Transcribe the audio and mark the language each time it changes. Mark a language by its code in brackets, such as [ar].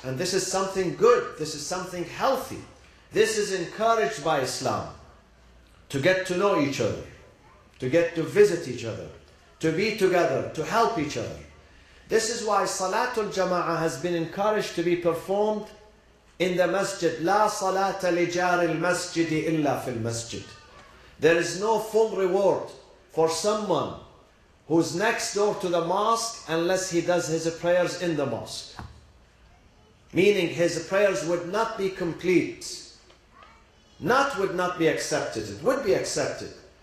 [en] And this is something good, this is something healthy. This is encouraged by Islam. To get to know each other, to get to visit each other, to be together, to help each other. This is why Salatul Jama'ah has been encouraged to be performed in the masjid. [ar] لا صلاة لجار المسجد إلا في المسجد. [en] There is no full reward for someone who's next door to the mosque unless he does his prayers in the mosque. Meaning his prayers would not be complete. Not would not be accepted, it would be accepted.